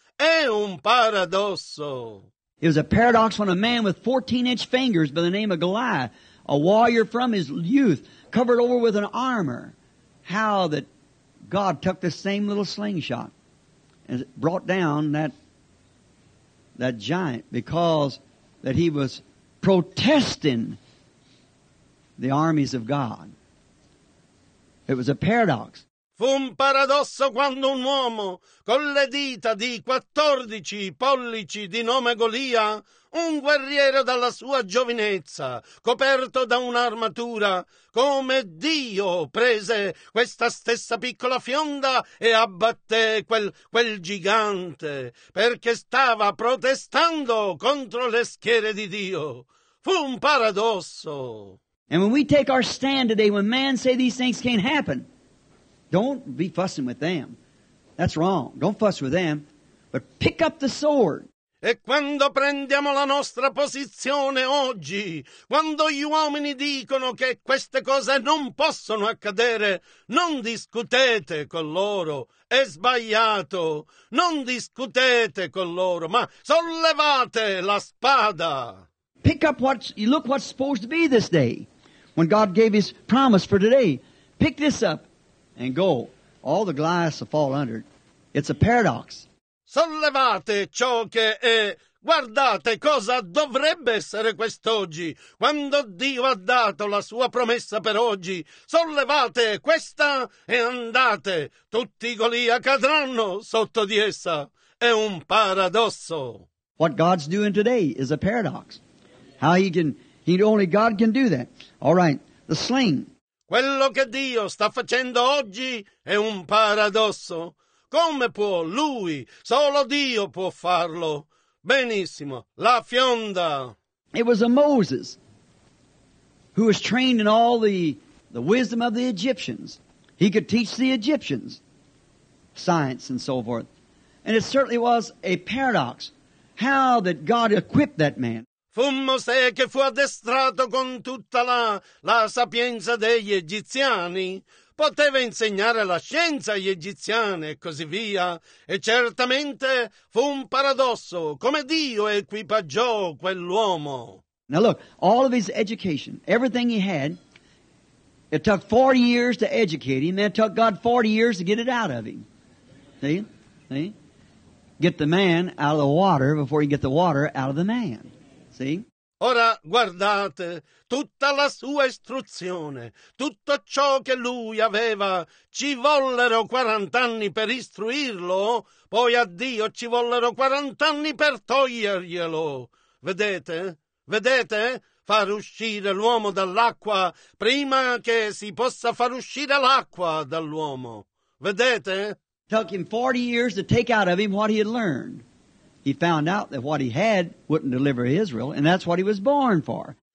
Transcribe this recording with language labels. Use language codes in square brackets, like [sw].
[it] È un paradosso. [en] It was a paradox when a man with 14-inch fingers by the name of Goliath, a warrior from his youth, covered over with an armor, how that God took this same little slingshot and brought down that giant because that he was protesting the armies of God. It was a paradox. [it] Fu un paradosso quando un uomo con le dita di 14 pollici di nome Golia, un guerriero dalla sua giovinezza, coperto da un'armatura, come Dio prese questa stessa piccola fionda e abbatté quel gigante perché stava protestando contro le schiere di Dio. Fu un paradosso. [en] And when we take our stand today, when man say these things can't happen, don't be fussing with them. That's wrong. Don't fuss with them. But pick up the sword. [it] E quando prendiamo la nostra posizione oggi, quando gli uomini dicono che queste cose non possono accadere, non discutete con loro. È sbagliato. Non discutete con loro, ma sollevate la spada. [en] Pick up what you look what's supposed to be this day. When God gave his promise for today, pick this up. And go. All the glass will fall under it. It's a paradox. [it] Sollevate ciò che è. Guardate cosa dovrebbe essere quest'oggi. Quando Dio ha dato la sua promessa per oggi, sollevate questa e andate. Tutti i Golia cadranno sotto di essa. È un paradosso. [en] What God's doing today is a paradox. How only God can do that. All right, the sling. [it] Quello che Dio sta facendo oggi è un paradosso. Come può Lui? Solo Dio può farlo. Benissimo. La fionda. [en] It was a Moses who was trained in all the wisdom of the Egyptians. He could teach the Egyptians science and so forth. And it certainly was a paradox how that God equipped that man. [it] Fu Mosè che fu addestrato con tutta la sapienza degli egiziani. Poteva insegnare la scienza agli egiziani e così via. E certamente fu un paradosso come Dio equipaggiò quell'uomo. [en] Now look, all of his education, everything he had, it took 40 years to educate him. It took God 40 years to get it out of him. See? Get the man out of the water before you get the water out of the man. See? [it] Ora guardate, tutta la sua istruzione, tutto ciò che lui aveva, ci vollero 40 anni per istruirlo, poi a Dio ci vollero 40 anni per toglierglielo. Vedete? far uscire l'uomo dall'acqua prima che si possa far uscire l'acqua dall'uomo. Vedete? [en] Took him 40 years to take out of him what he had learned. He found out that what he had wouldn't deliver Israel, and that's what he was born for.